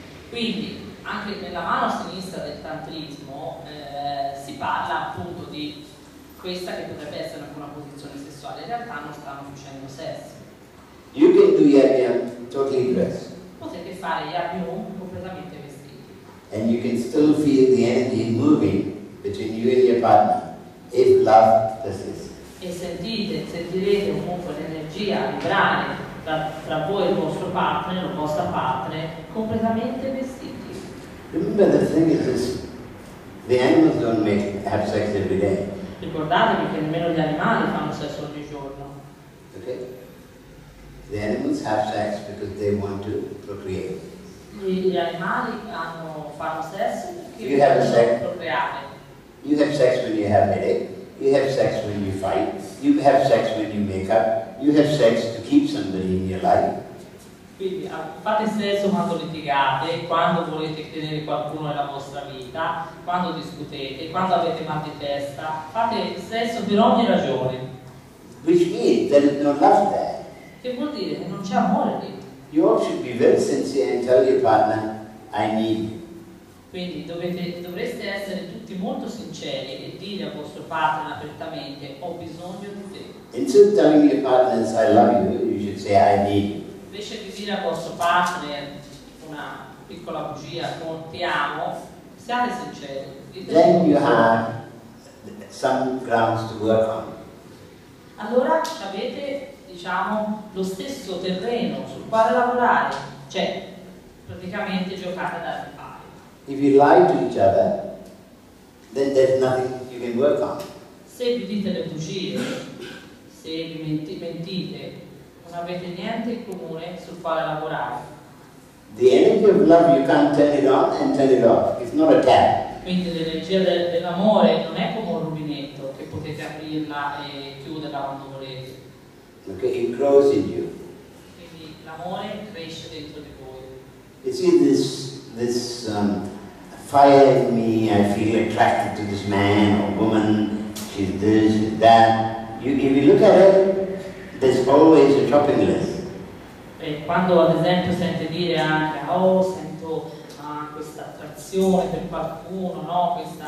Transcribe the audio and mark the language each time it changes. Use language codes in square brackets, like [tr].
[it] Quindi anche nella mano sinistra del tantrismo si parla appunto di questa che potrebbe essere una posizione sessuale, in realtà non stanno facendo sesso. [en] You can do yap yam totally dressed. [it] Potete fare yap yam completamente vestiti. [en] And you can still feel the energy moving between you and your partner if love persists. [it] E sentirete comunque l'energia vibrare tra voi e il vostro partner, la vostra partner, completamente vestiti. [en] Remember, the thing is this: the animals don't have sex every day. [it] Ricordatevi che nemmeno gli animali fanno sesso ogni giorno. [en] Okay. The animals have sex because they want to procreate. [it] Gli animali fanno sesso perché vogliono procreare. [en] You have sex when you have headache. You have sex when you fight. You have sex when you make up. You have sex to keep somebody in your life. [it] Quindi fate sesso quando litigate, quando volete tenere qualcuno nella vostra vita, quando discutete, quando avete mal di testa, fate sesso per ogni ragione. [en] Which means there is no love there. [it] Che vuol dire che non c'è amore lì. [en] You all should be very sincere and tell your partner, I need you. [it] Quindi dovreste essere tutti molto sinceri e dire al vostro partner apertamente, ho bisogno di te. [en] Instead of telling your partner, I love you, you should say, I need you. [it] Invece di dire al vostro partner una piccola bugia, con ti amo, siate sinceri. [en] Then you have some grounds to work on. [it] Allora avete, diciamo, lo stesso terreno sul quale lavorare, cioè praticamente giocate da ripari. [en] If you lie to each other, then there's nothing you can work on. [it] Se vi dite le bugie, se vi mentite, non avete niente in comune sul quale lavorare. [en] The energy of love you can't turn it on and turn it off. It's not a tap. [it] Quindi l'energia dell'amore non è come un rubinetto che potete aprirla e chiuderla quando volete. [en] Okay, it grows in you. [it] Quindi l'amore cresce dentro di voi. [en] You see this fire in me, I feel attracted to this man or woman, she's this, she's that. You, if you look at it, there's always a shopping list. [it] E quando ad esempio sente dire anche, oh, sento questa attrazione per qualcuno, no?